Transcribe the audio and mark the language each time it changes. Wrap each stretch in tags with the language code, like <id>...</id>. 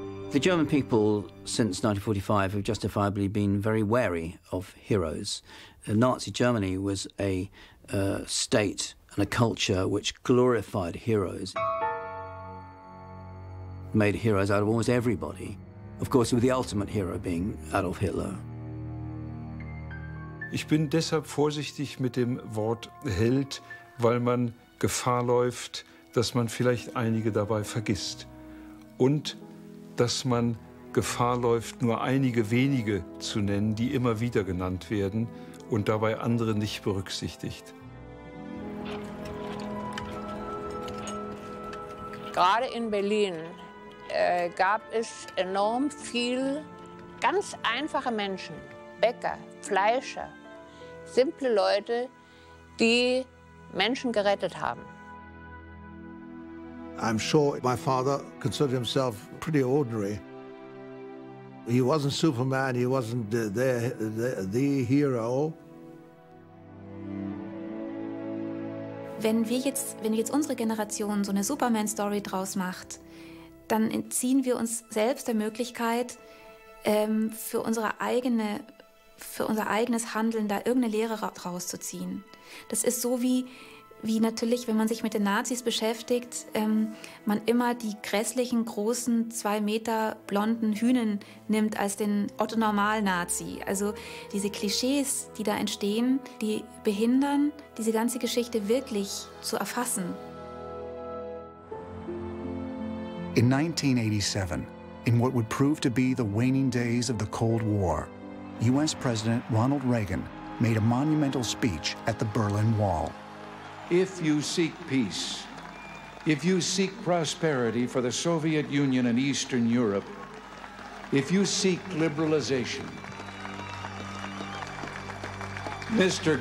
<en>The German people, since 1945, have justifiably been very wary of heroes. Nazi Germany was a state and a culture which glorified heroes, made heroes out of almost everybody. Of course, with the ultimate hero being Adolf Hitler.</en> <de>Ich bin deshalb vorsichtig mit dem Wort Held, weil man Gefahr läuft, dass man vielleicht einige dabei vergisst. Und dass man Gefahr läuft, nur einige wenige zu nennen, die immer wieder genannt werden und dabei andere nicht berücksichtigt. Gerade in Berlin gab es enorm viel ganz einfache Menschen, Bäcker, Fleischer, simple Leute, die Menschen gerettet haben.</de> <en>I'm sure my father considered himself pretty ordinary. He wasn't Superman, he wasn't the hero.</en> <de>Wenn jetzt unsere Generation so eine Superman-Story draus macht, dann entziehen wir uns selbst der Möglichkeit, für unser eigenes Handeln da irgendeine Lehre draus zu ziehen. Das ist so wie wie natürlich, wenn man sich mit den Nazis beschäftigt, man immer die grässlichen, großen, 2 Meter blonden Hünen nimmt als den Otto-Normal-Nazi. Also diese Klischees, die da entstehen, die behindern, diese ganze Geschichte wirklich zu erfassen.</de> <en>In 1987, in what would prove to be the waning days of the Cold War, U.S. President Ronald Reagan made a monumental speech at the Berlin Wall. If you seek peace, if you seek prosperity for the Soviet Union and Eastern Europe, if you seek liberalization, Mr.</en>